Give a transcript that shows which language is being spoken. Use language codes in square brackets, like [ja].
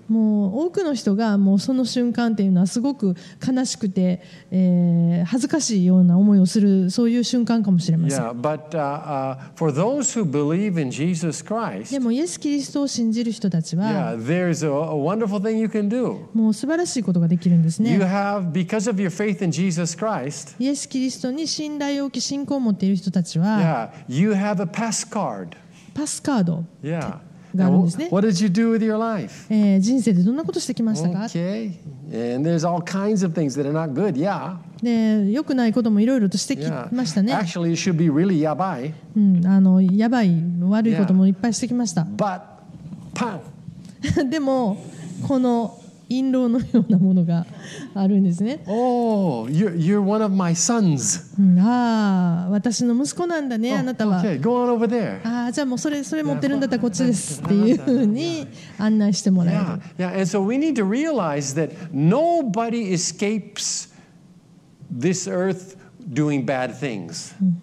[ja] もう多くの人がもうその瞬間っていうのはすごく悲しくて、恥ずかしいような思いをするそういう瞬間かもしれません。 [en] Yeah, but for those who believe in Jesus Christ, [ja] でもイエス・キリストを信じる人たちは、 [en] yeah, there's a wonderful thing you can do. [ja] もう素晴らしいことができるんですね。 [en] You have because of your faith in Jesus Christ. [ja] イエス・キリストに信頼を置き信仰を持っている人たちは、 [en] yeah, you have a pass card. [ja] パスカードがあるんですね。 [en] What did you do with your life? [ja] 人生でどんなことしてきましたか？ [en] Okay. And there's all kinds of things that are not good. Yeah. [ja] で良くないこともいろいろとしてきましたね。 [en] Yeah. Actually, it should be really やばい。 [ja] やばい悪いこともいっぱいしてきました。 [en] Yeah. But, pow! [ja] でもこの印籠のようなものがあるんですね。 [en] Oh, you're one of my sons. [ja] ああ、私の息子なんだね、あなたは。 [en] Okay, go on over there. [ja] ああ、じゃあもうそれ持ってるんだったらこっちですっていうふうに案内してもらえる。 [en] Yeah, yeah. And so we need to realize that nobody escapes this earth doing bad things.